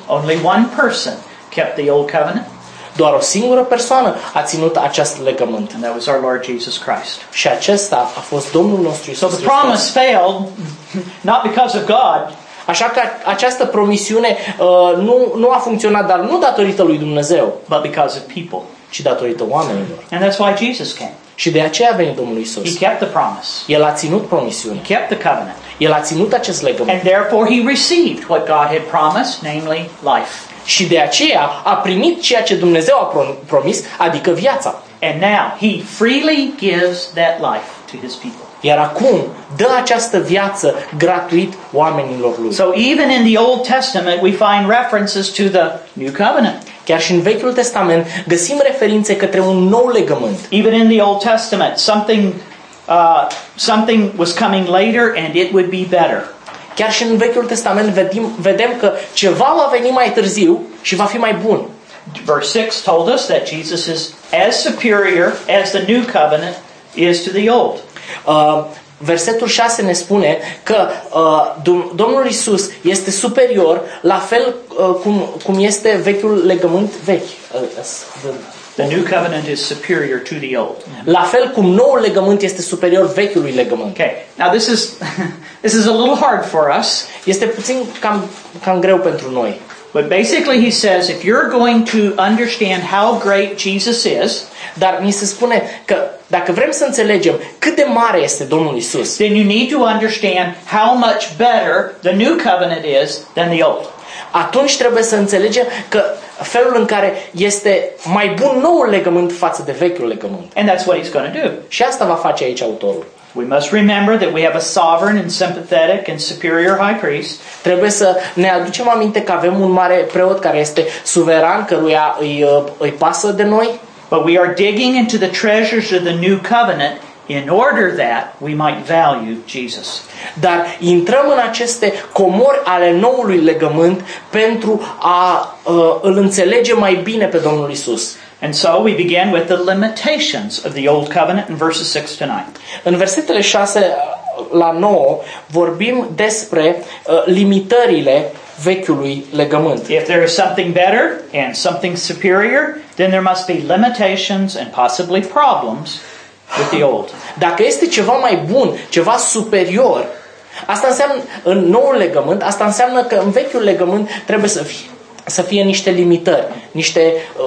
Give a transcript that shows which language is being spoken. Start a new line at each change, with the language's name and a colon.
English: Only one person kept the old covenant.
Romanian: Doar o singură persoană a ținut acest legământ.
English: And that was our Lord Jesus Christ.
Romanian: Și acesta a fost Domnul nostru Iisus
English: Hristos. So the promise failed, not because of God.
Romanian: Așa că această promisiune nu a funcționat, dar nu datorită lui Dumnezeu.
English: But because of people.
Romanian: Ci datorită oamenilor.
English: And that's why Jesus came.
Romanian: Și de aceea a venit Domnul Iisus.
English: He kept the promise.
Romanian: El a ținut promisiunea.
English: He kept the covenant.
Romanian: El a ținut acest legământ.
English: And therefore he received what God had promised, namely life.
Romanian: Și de aceea a primit ceea ce Dumnezeu a promis, adică viața.
English: And now he freely gives that life to his people.
Romanian: Iar acum dă această viață gratuit oamenilor lui.
English: So even in the Old Testament we find references to the new covenant.
Romanian: Chiar și în Vechiul Testament găsim referințe către un nou legământ.
English: Even in the Old Testament something was coming later and it would be better.
Romanian: Chiar și în Vechiul Testament vedem că ceva va veni mai târziu și va fi mai bun.
English: Verse 6 told us that Jesus is as superior as the new covenant is to the old.
Romanian: Versetul 6 ne spune că Domnul Iisus este superior la fel cum este vechiul legământ vechi.
English: The new covenant is superior to the old.
Romanian: La fel cum noul legământ este superior vechiului legământ.
English: Okay. Now this is a little hard for us.
Romanian: Este puțin cam greu pentru noi.
English: But basically he says if you're going to understand how great Jesus is,
Romanian: dar mi se spune că dacă vrem să înțelegem cât de mare este Domnul Iisus,
English: then you need to understand how much better the new covenant is than the old.
Romanian: Atunci trebuie să înțelegem că felul în care este mai bun noul legământ față de vechiul legământ.
English: And that's what he's going to do.
Romanian: Și asta va face aici autorul.
English: We must remember that we have a sovereign and sympathetic and superior high priest.
Romanian: Trebuie să ne aducem aminte că avem un mare preot care este suveran, căruia îi pasă de noi.
English: But we are digging into the treasures of the new covenant in order that we might value Jesus.
Romanian: Dar intrăm în aceste comori ale noului legământ pentru a îl înțelege mai bine pe Domnul Iisus.
English: And so we begin with the limitations of the old covenant in verses 6 to 9.
Romanian: În versetele 6 la 9 vorbim despre limitările vechiului legământ.
English: If there is something better and something superior, then there must be limitations and possibly problems with the old.
Romanian: Dacă este ceva mai bun, ceva superior, asta înseamnă în noul legământ, asta înseamnă că în vechiul legământ trebuie să fie niște limitări, niște